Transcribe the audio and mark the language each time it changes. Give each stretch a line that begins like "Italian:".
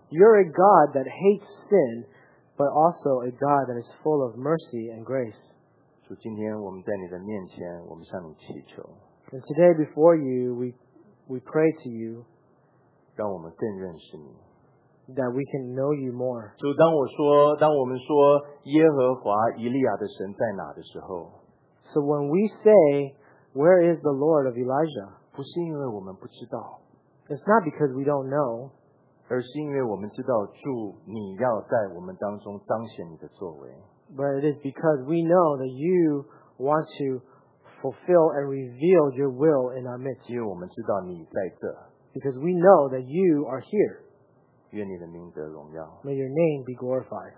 English: You are a God that hates sin, but also a God that is full of mercy and grace.
Chinese: 主，今天我们在你的面前，我们向你祈求。
English: And today before you, we pray to you.
Chinese: 让我们更认识你。
English: That we can know you more.
Chinese: 主，当我说，当我们说耶和华以利亚的神在哪的时候，
English: So when we say, where is the Lord of Elijah?
Chinese: 不是因为我们不知道，
English: It's not because we don't know.
Chinese: 而是因为我们知道主你要在我们当中彰显你的作为。
English: But it is because we know that you want to fulfill and reveal your will in our midst.
Chinese: 因为我们知道你在这。
English: Because we know that you are here.
Chinese: 愿你的名得荣耀。
English: May your name be glorified.